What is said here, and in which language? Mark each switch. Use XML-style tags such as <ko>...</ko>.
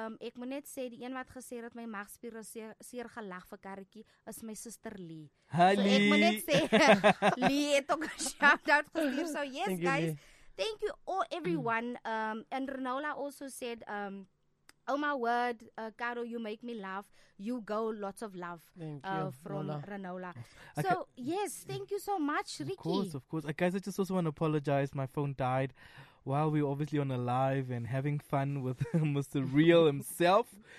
<af>Ek moet net sê, die een wat gesê het, my magspier is seer gelag vir karretjie, is my sister Lee.</af> <en>Hi, Lee.</en> <af>So, ek moet net sê, Lee het ook een shout-out gestuur.</af> <en>So, yes, thank guys. Thank you all, everyone. And Renola also said, oh my word, Caro, you make me laugh. You go, lots of love from Renola. So, yes, thank you so much, of Ricky. Of course, of course. Guys, I just also want to apologize. My phone died while we were obviously on a live and having fun with Mr. Real himself.</en>